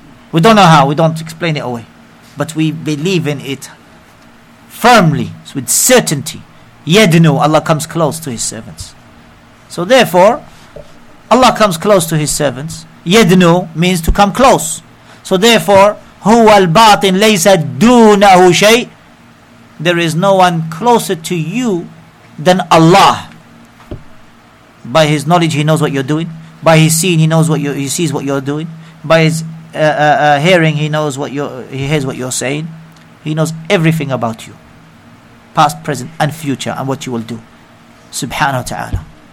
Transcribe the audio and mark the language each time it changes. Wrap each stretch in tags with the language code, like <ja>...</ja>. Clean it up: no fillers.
<en>We don't know how, we don't explain it away, but we believe in it firmly, with certainty. يدنو, Allah comes close to his servants. So therefore Allah comes close to his servants. يدنو means to come close. So therefore</en> <ar>هو الباطن ليس دونه شيء.</ar> <en>There is no one closer to you than Allah. By his knowledge, he knows what you're doing. By his seeing, he knows what he sees what you're doing. By his hearing, he knows what he hears what you're saying. He knows everything about you, past, present, and future, and what you will do. Subhanahu wa ta'ala.</en>